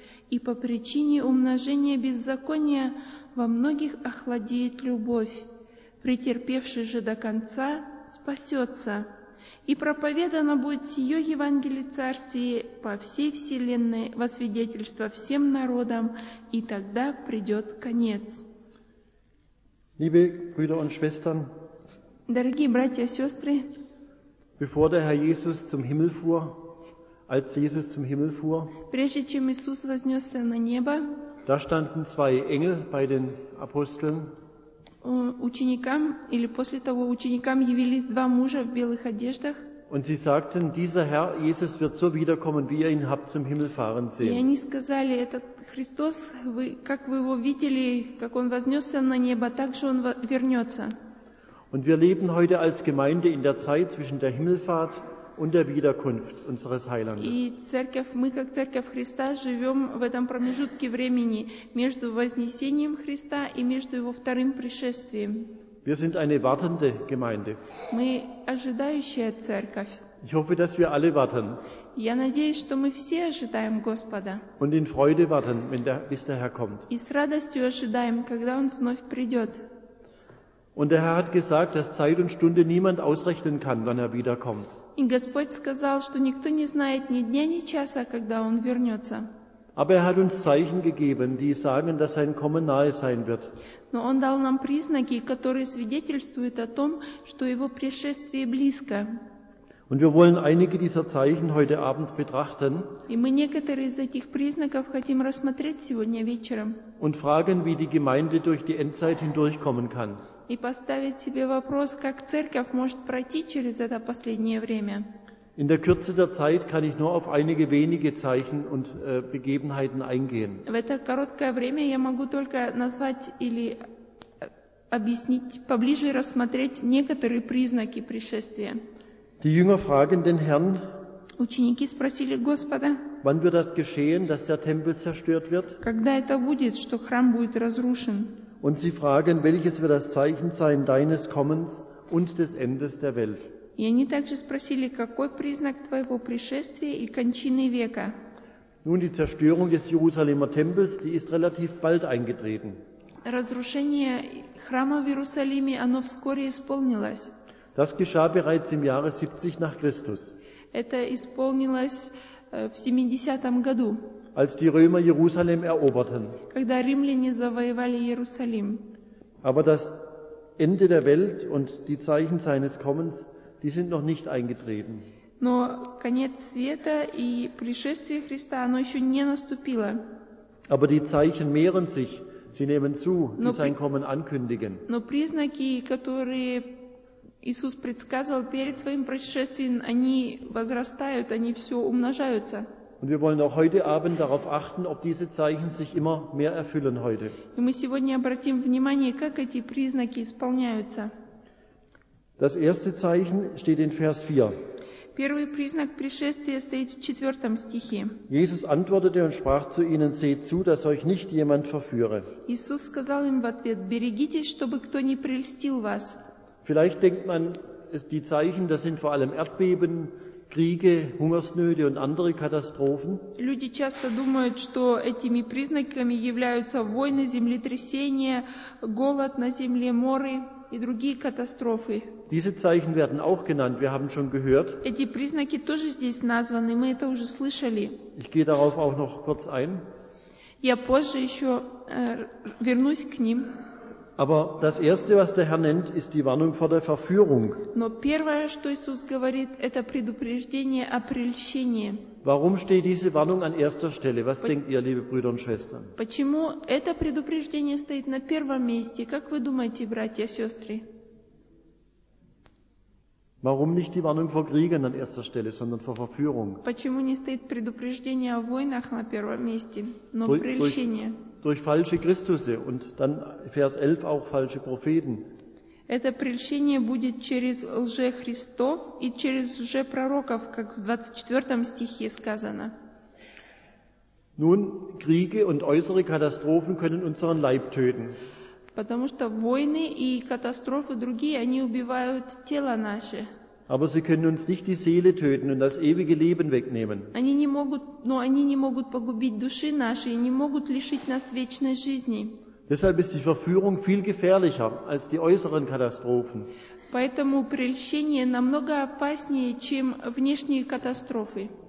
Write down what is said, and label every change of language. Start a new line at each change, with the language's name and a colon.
Russian: И по причине умножения беззакония во многих охладеет любовь. Претерпевший же до конца спасется. И проповедано будет сие Евангелие Царствие по всей вселенной во свидетельство всем народам, и тогда придет конец».
German: Liebe Brüder und Schwestern,
Russian: дорогие братья и сестры,
German: bevor der Herr Jesus zum Himmel fuhr, als Jesus zum Himmel fuhr,
Russian: прежде чем Иисус вознесся на небо,
German: da standen zwei Engel bei den Aposteln,
Russian: ученикам, или после того, ученикам явились два мужа в белых одеждах,
German: und sie sagten, dieser Herr Jesus wird so wiederkommen, wie ihr ihn habt zum Himmel fahren sehen.
Russian: И они сказали, этот Христос, вы, как вы его видели, как он вознесся на небо, так же он вернется.
German: Und wir leben heute als Gemeinde in der Zeit zwischen der Himmelfahrt und der Wiederkunft unseres Heilandes.
Russian: И церковь, мы как церковь Христа живем в этом промежутке времени между вознесением Христа и между его вторым пришествием.
German: Wir sind eine wartende Gemeinde.
Russian: Мы ожидающая церковь.
German: Ich hoffe, dass wir alle warten.
Russian: Я надеюсь, что мы все ожидаем Господа.
German: Und in Freude warten, wenn der, bis der Herr kommt.
Russian: И с радостью ожидаем, когда Он вновь придет.
German: Und der Herr hat gesagt, dass Zeit und Stunde niemand ausrechnen kann, wann er wiederkommt.
Russian: И Господь сказал, что никто не знает ни дня, ни часа, когда Он вернется.
German: Aber er hat uns Zeichen gegeben, die sagen, dass sein Kommen nahe sein wird.
Russian: Но Он дал нам признаки, которые свидетельствуют о том, что Его пришествие близко.
German: Und wir wollen einige dieser Zeichen heute Abend betrachten.
Russian: И мы некоторые из этих признаков хотим рассмотреть сегодня вечером.
German: Und fragen, wie die Gemeinde durch die Endzeit hindurchkommen kann.
Russian: И поставить себе вопрос, как церковь может пройти через это последнее время.
German: In der Kürze der Zeit kann ich nur auf einige wenige Zeichen und Begebenheiten eingehen.
Russian: В это короткое время я могу только назвать или объяснить, поближе рассмотреть некоторые признаки пришествия.
German: Die Jünger fragen den Herrn,
Russian: ученики спросили Господа,
German: wann wird das geschehen, dass der Tempel zerstört wird?
Russian: Когда это будет, что храм будет разрушен?
German: Und sie fragen, welches wird das Zeichen sein deines Kommens und des Endes der Welt?
Russian: И они также спросили, какой признак твоего пришествия и кончины века?
German: Nun, die Zerstörung des Jerusalemer Tempels, die ist relativ bald eingetreten.
Russian: Разрушение храма в Иерусалиме, оно вскоре исполнилось.
German: Das geschah bereits im Jahre 70 nach Christus.
Russian: Это исполнилось в 70-м году.
German: Als die Römer Jerusalem eroberten.
Russian: Когда римляне завоевали Иерусалим.
German: Aber das Ende der Welt und die Zeichen seines Kommens, die sind noch nicht eingetreten.
Russian: Но конец света и пришествие Христа, оно еще не наступило.
German: Aber die Zeichen mehren sich, sie nehmen zu, die sein Kommen ankündigen.
Russian: Но признаки, которые Иисус предсказывал перед своим пришествием, они возрастают, они все умножаются.
German: Und wir wollen auch heute Abend darauf achten, ob diese Zeichen sich immer mehr erfüllen heute.
Russian: И мы сегодня обратим внимание, как эти признаки исполняются.
German: Das erste Zeichen steht in Vers 4.
Russian: Первый признак пришествия стоит в 4 стихе.
German: Jesus antwortete und sprach zu ihnen: Seht zu, dass euch nicht jemand verführe.
Russian: Иисус сказал им в ответ: Берегитесь, чтобы кто не прельстил вас.
German: Vielleicht denkt man, die Zeichen, das sind vor allem Erdbeben, Kriege, Hungersnöte und andere Katastrophen.
Russian: Люди часто думают, что этими признаками являются войны, землетрясения, голод на земле, моры и другие катастрофы.
German: Diese Zeichen werden auch genannt, wir haben schon gehört.
Russian: Эти признаки тоже здесь названы, мы это уже слышали.
German: Ich gehe darauf auch noch kurz ein.
Russian: Я позже еще вернусь к ним.
German: Aber das Erste, was der Herr nennt, ist die Warnung vor der Verführung.
Russian: Но первое, что Иисус говорит, это предупреждение о прельщении.
German: Warum steht diese Warnung an erster Stelle? Was denkt ihr, liebe Brüder und Schwestern?
Russian: Почему это предупреждение стоит на первом месте? Как вы думаете, братья и сестры?
German: Warum nicht die Warnung vor Kriegen an erster Stelle, sondern vor Verführung?
Russian: Почему не стоит предупреждение о войнах на первом месте, но прельщение?
German: Durch falsche Christusse und dann Vers 11 auch falsche Propheten.
Russian: Это прельщение будет через лжехристов и через лжепророков, как в 24 стихе сказано.
German: Nun, Kriege und äußere Katastrophen können unseren Leib töten.
Russian: Потому что войны и катастрофы другие, они убивают тело наше.
German: Aber sie können uns nicht die Seele töten und das ewige Leben wegnehmen.
Russian: Они не могут, но они не могут погубить души наши и не могут лишить нас вечной жизни.
German: Deshalb ist die Verführung viel gefährlicher als die äußeren Katastrophen.
Russian: Поэтому прельщение намного опаснее, чем внешние катастрофы.